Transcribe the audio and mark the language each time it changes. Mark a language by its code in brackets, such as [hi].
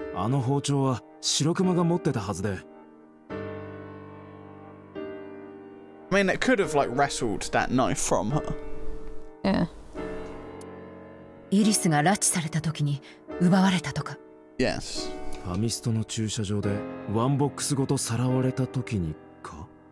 [ja] だが、太田の証言が確かなら、あの包丁は白熊が持ってたはずで。 [en] I mean, it could have, like, wrestled that knife from her. Yeah. [ja] イリスが拉致された時に奪われたとか? [en] Yes. [ja] ファミストの駐車場でワンボックスごとさらわれた時にか?